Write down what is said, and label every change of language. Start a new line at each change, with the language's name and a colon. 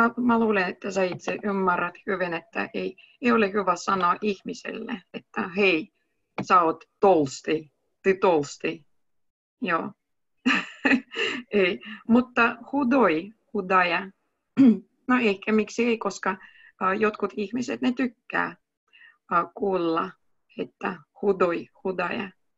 Finnish: Mä luulen, että sä itse ymmärrät hyvin, että ei ole hyvä sanoa ihmiselle, että hei, sä oot
Russian: толстый. Ты толстый.
Finnish: Joo. Ei. Mutta
Russian: худой, худая.
Finnish: No ehkä miksi ei, koska jotkut ihmiset ne tykkää kuulla, että
Russian: худой, худая.